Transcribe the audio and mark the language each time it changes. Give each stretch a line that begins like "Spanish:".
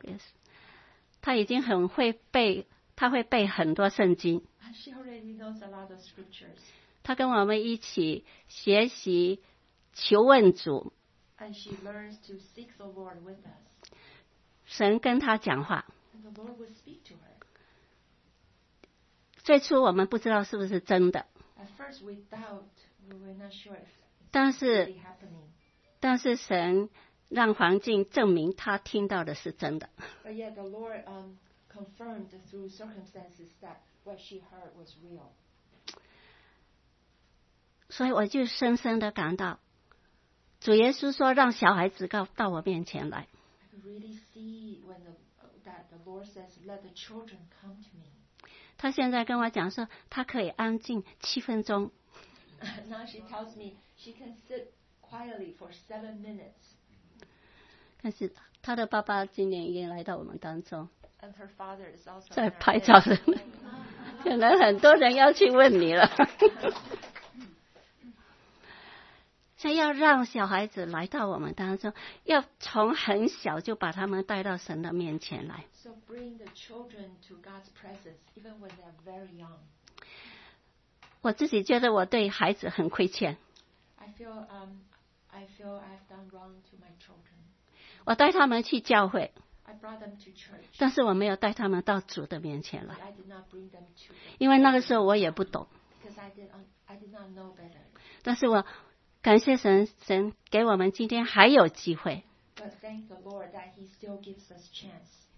Chinese: yes他已经很会背，他会背很多圣经。
English: She already knows a lot of scriptures.
Chinese: 他跟我们一起学习求问主。
English: And she learns to seek the Lord with us.
Chinese: 神跟他讲话。
English: And the Lord would speak to her.
Chinese: 最初我们不知道是不是真的。
English: At first we doubt, we were not sure if it's really happening.
Chinese: 但是神让环境证明他听到的是真的。
English: But yet the Lord confirmed through circumstances that what she heard was real.
Chinese: 所以我就深深的感到，主耶稣说让小孩子到我面前来。
English: I could really see when the Lord says let the children come to me.
Chinese: 他现在跟我讲说，他可以安静七分钟。
English: Now she tells me she can sit quietly for 7 minutes.
Chinese: 但是她的爸爸今年也来到我们当中。
English: And her father is also
Chinese: 在拍照的。可能很多人要去问你了。所以要让小孩子来到我们当中，要从很小就把他们带到神的面前来。
English: So bring the children to God's presence, even when they're very young.
Chinese: 我自己觉得我对孩子很亏欠。
English: I feel I've done wrong to my children.
Chinese: 我带他们去教会。
English: I brought them to church.
Chinese: 但是我没有带他们到主的面前来。
English: But I did not bring them to.
Chinese: 因为那个时候我也不懂。
English: Because I did not know better.
Chinese: 但是我感谢神，神给我们今天还有机会。
English: But thank the Lord that He still gives us chance.